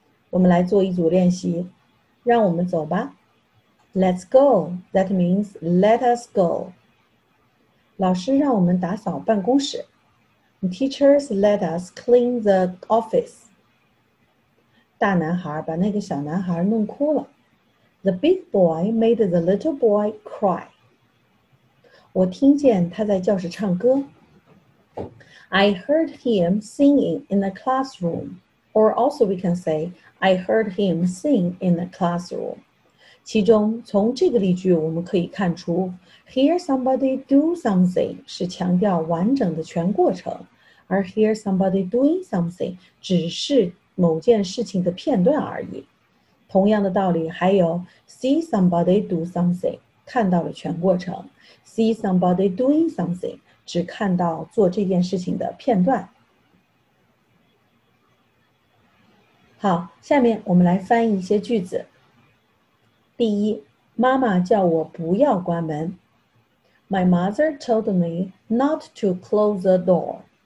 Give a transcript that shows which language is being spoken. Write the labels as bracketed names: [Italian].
[Chinese] 我们来做一组练习，让我们走吧。 [English] Let's go. That means let us go. [Chinese] 老师让我们打扫办公室。 [English] Teachers let us clean the office. [Chinese] 大男孩把那个小男孩弄哭了。 [English] The big boy made the little boy cry. [Chinese] 我听见他在教室唱歌。 [English] I heard him singing in the classroom. Or also we can say, I heard him sing in the classroom. [Chinese] 其中从这个例句我们可以看出 , [English] hear somebody do something [Chinese] 是强调完整的全过程。而 [English] hear somebody doing something [Chinese] 只是某件事情的片段而已。同样的道理还有 [English] see somebody do something, [Chinese] 看到了全过程。 [English] see somebody doing something, [Chinese] 只看到做这件事情的片段。好，下面我们来翻译一些句子。第一，妈妈叫我不要关门。 [English] My mother told me not to close the door.